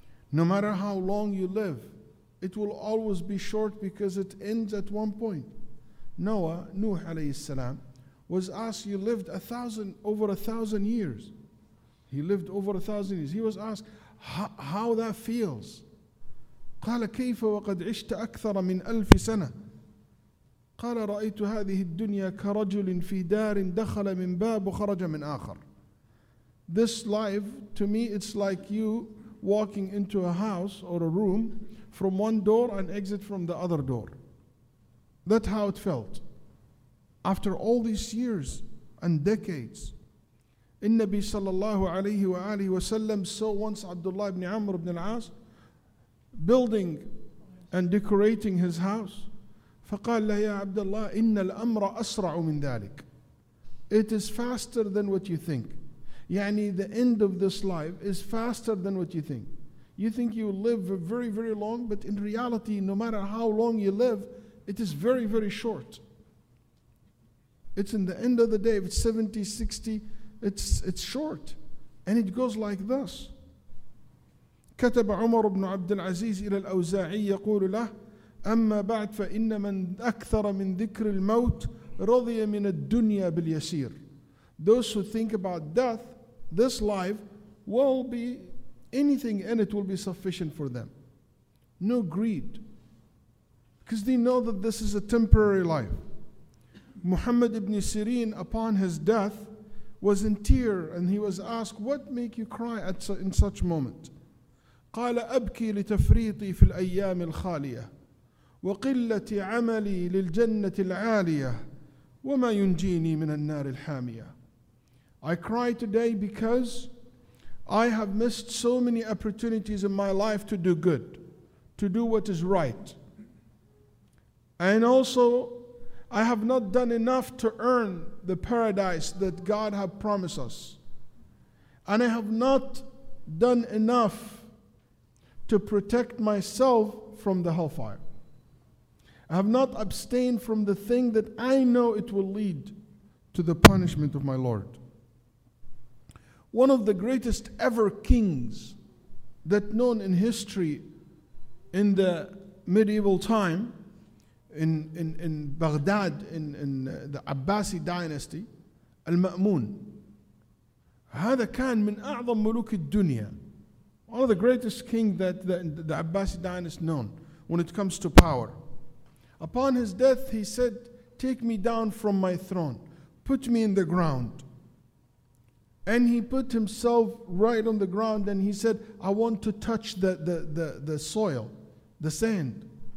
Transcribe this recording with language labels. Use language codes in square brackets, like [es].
[en] No matter how long you live, it will always be short because it ends at one point. Nuh alayhi salam was asked, you lived over a thousand years. He lived over a thousand years. He was asked, how that feels? [ar] قَالَ كَيْفَ وَقَدْ عِشْتَ أَكْثَرَ مِنْ أَلْفِ سَنَةٍ قال رأيت هذه الدنيا كرجل في دار دخل من باب وخرج من آخر. [en] This life, to me, it's like you walking into a house or a room from one door and exit from the other door. That's how it felt. After all these years and decades, [ar] النبي صلى الله عليه وآله وسلم [en] saw once Abdullah ibn Amr ibn al-As building and decorating his house. [ar] فقال له يا عبد الله إن الأمر أسرع من ذلك. [en] It is faster than what you think. يعني the end of this life is faster than what you think. You think you live very, very long, but in reality, no matter how long you live, it is very, very short. It's in the end of the day, if it's 70, 60, it's short. And it goes like this. [ar] كتب عمر بن عبد العزيز إلى الأوزاعي يقول له أما بعد فإن من أكثر من ذكر الموت رضي من الدنيا باليسير. [en] Those who think about death, this life, will be, anything in it will be sufficient for them. No greed. Because they know that this is a temporary life. Muhammad ibn Sirin, upon his death, was in tear and he was asked, what make you cry in such moment? [ar] قال أبكي لتفريطي في الأيام الخالية. وقلتي عملي للجنة العالية وما ينجيني من النار الحامية. [en] I cry today because I have missed so many opportunities in my life to do good, to do what is right. And also, I have not done enough to earn the paradise that God has promised us. And I have not done enough to protect myself from the hellfire. I have not abstained from the thing that I know it will lead to the punishment of my Lord. One of the greatest ever kings that known in history in the medieval time in Baghdad, in the Abbasid dynasty, Al-Ma'mun. [ar] هذا كان من أعظم ملوك الدنيا. [en] One of the greatest kings that the Abbasid dynasty known when it comes to power. Upon his death, he said, take me down from my throne. Put me in the ground. And he put himself right on the ground and he said, I want to touch the soil, the sand.